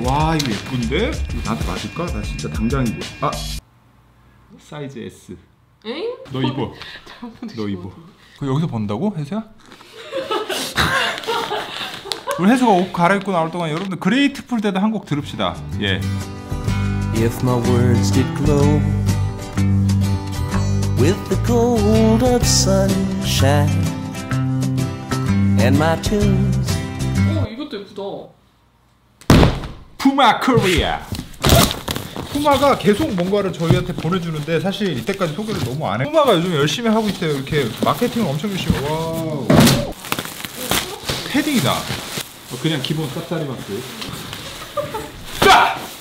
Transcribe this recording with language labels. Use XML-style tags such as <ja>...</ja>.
<ko>와 이거 예쁜데? 이거 나한테 맞을까? 나 진짜 당장 입어. 아 사이즈 S. 응? 너 입어. 너 입어. 그 여기서 번다고 혜수야? 우리 혜수가 옷 갈아입고 나올 동안 여러분들 그레이트풀 데드 한 곡 들읍시다. 예.</ko> <en>If my words did glow with the gold of sunshine and my tunes.</en> <ko>오 이것도 예쁘다. 푸마 코리아. 푸마가 계속 뭔가를 저희한테 보내주는데 사실 이때까지 소개를 너무 안 해. 푸마가 요즘 열심히 하고 있어요. 이렇게 마케팅을 엄청 열심히. 와. 패딩이다. 그냥 기본 사타리마스. 자.</ko>